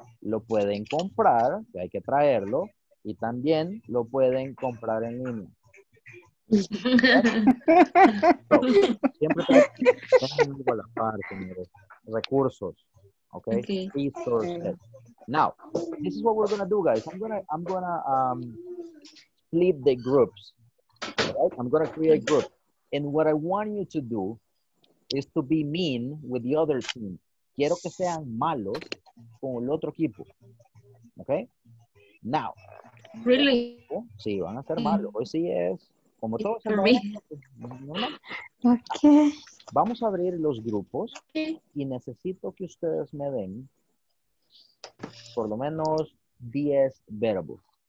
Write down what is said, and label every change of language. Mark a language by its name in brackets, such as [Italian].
[Spanish] Lo pueden comprar, que hay que traerlo, y también lo pueden comprar en línea. So, siempre tengan algo a la par, señores. Recursos. Okay? [English] Okay. Resources. Now, this is what we're gonna do, guys. I'm gonna leave the groups. Right? I'm going to create a group. And what I want you to do is to be mean with the other team. [Spanish] Quiero que sean malos con el otro equipo. [English] Okay? Now. Really? [Spanish] Sí, van a ser malos. Hoy sí es. Como todos. [English] For me. Okay. [Spanish] Vamos a abrir los grupos. Y necesito que ustedes me den por lo menos 10 verbos.